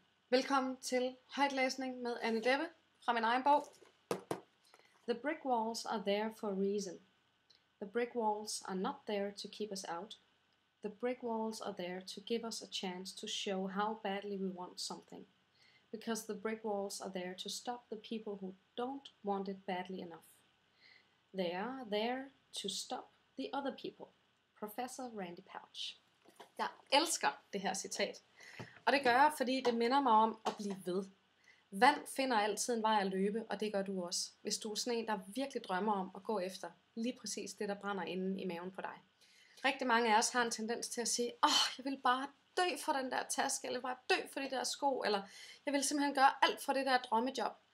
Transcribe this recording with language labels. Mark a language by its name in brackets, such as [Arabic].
[Danish] Velkommen til højtlæsning med Anne Debbe fra min egen bog. [English] The brick walls are there for a reason. The brick walls are not there to keep us out. The brick walls are there to give us a chance to show how badly we want something. Because the brick walls are there to stop the people who don't want it badly enough. They are there to stop the other people. Professor Randy Pouch. [Danish] Jeg elsker det her citat. Og det gør jeg, fordi det minder mig om at blive ved. Vand finder altid en vej at løbe, og det gør du også, hvis du er sådan en, der virkelig drømmer om at gå efter lige præcis det, der brænder inde i maven på dig. Rigtig mange af os har en tendens til at sige, åh, jeg vil bare dø for den der taske, eller bare dø for de der sko, eller jeg vil simpelthen gøre alt for det der drømmejob.